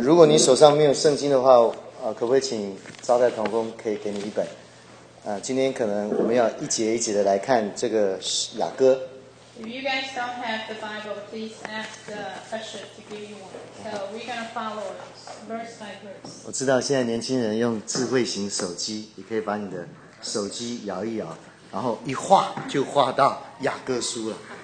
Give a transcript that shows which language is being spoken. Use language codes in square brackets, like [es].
[zh] 如果你手上没有圣经的话，可不可以请招待同工可以给你一本？今天可能我们要一节一节的来看这个雅歌。 [en] If you guys don't have the Bible, please ask the usher to give you one. So we're gonna follow verse by verse. [zh] 我知道现在年轻人用智慧型手机，你可以把你的手机摇一摇，然后一画就画到雅歌书了。